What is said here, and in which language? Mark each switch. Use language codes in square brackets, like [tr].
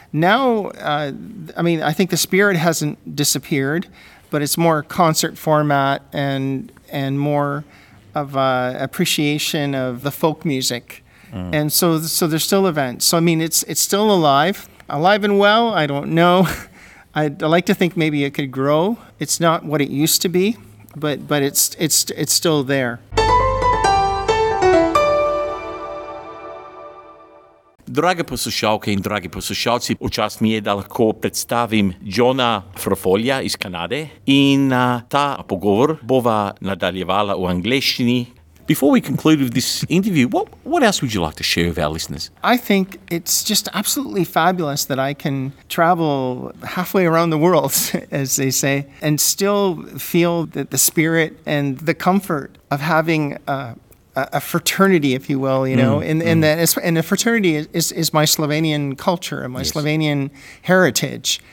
[en] Now, I think the spirit hasn't disappeared, but it's more concert format and more of appreciation of the folk music. And so there's still events. So, I mean, it's still alive. Alive and well, I don't know. I'd like to think maybe it could grow. It's not what it used to be, but it's still there. [sl] Drage poslušalke in dragi poslušalci, v čast mi je, da lahko predstavim Johna Frofolja iz Kanade in ta pogovor bova nadaljevala v angleščini. [en] Before we conclude with this interview, what else would you like to share with our listeners? I think it's just absolutely fabulous that I can travel halfway around the world, as they say, and still feel the spirit and the comfort of having a fraternity, if you will, you know, and a fraternity is my Slovenian culture and my Slovenian heritage.